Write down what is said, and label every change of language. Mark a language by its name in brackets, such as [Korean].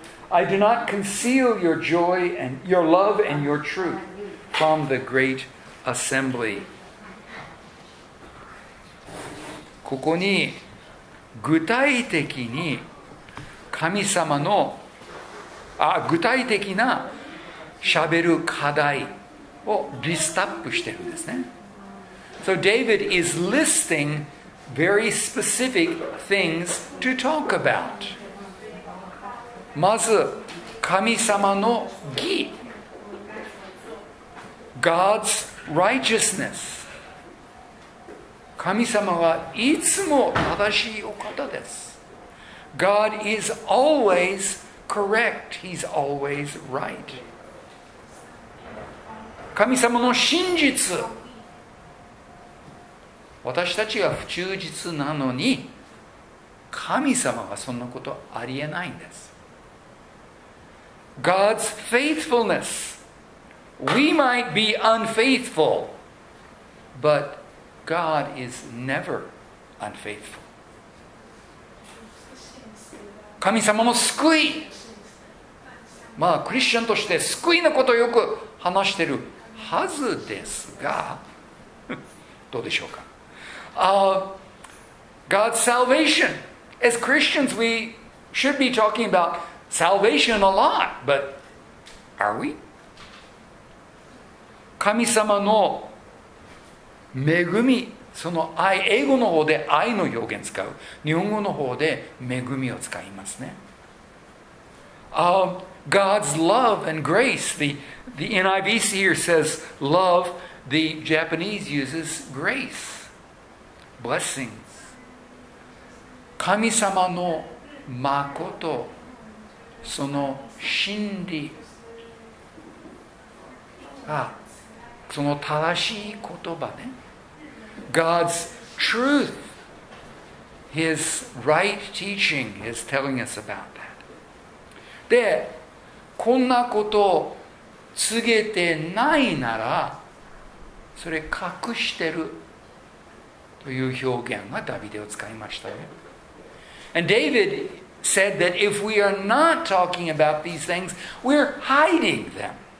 [English] I do not conceal your joy and your love and your truth from the great assembly. [Japanese] ここに具体的に神様の具体的な喋る課題をリストアップしてるんですね。 [English] So David is listing very specific things to talk about. [Japanese] まず神様の義、 [English] God's righteousness。 [Japanese] 神様はいつも正しいお方です。 [English] God is always correct. He's always right. [Japanese] 神様の真実。私たちが不忠実なのに、神様はそんなことありえないんです。 [English] God's faithfulness. We might be unfaithful, but God is never unfaithful. [Japanese] 神様の救い、まあクリスチャンとして救いのことをよく話しているはずですが、どうでしょうか。 [English] God's salvation. As Christians, we should be talking about salvation a lot, but are we? [Japanese] 神様の恵み、その愛、英語の方で愛の表現使う、日本語の方で恵みを使いますね。 [English] God's love and grace. The NIV here says love. The Japanese uses grace, blessings. [Japanese] 神様のまこと、その真理、その正しい言葉ね。 [English] God's truth, His right teaching is telling us about that. [Japanese] で、こんなことを告げてないなら、それ隠してるという表現がダビデを使いましたね。 [English] And David said that if we are not talking about these things, we're hiding them.